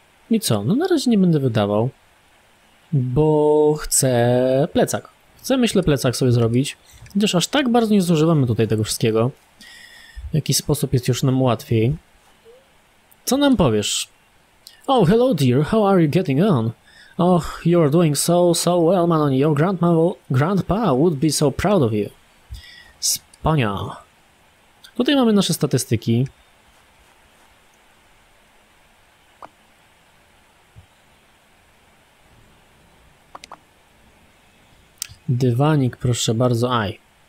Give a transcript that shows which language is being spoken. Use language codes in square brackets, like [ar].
[pl] I co? No na razie nie będę wydawał, bo chcę plecak. Chcę, myślę, plecak sobie zrobić, gdyż aż tak bardzo nie zużywamy tutaj tego wszystkiego. W jakiś sposób jest już nam łatwiej. Co nam powiesz? [en] Oh, hello dear, how are you getting on? Oh, you're doing so, so well, man. Your grandpa would be so proud of you. [pl] Spania. Tutaj mamy nasze statystyki. Dywanik, proszę bardzo, aj.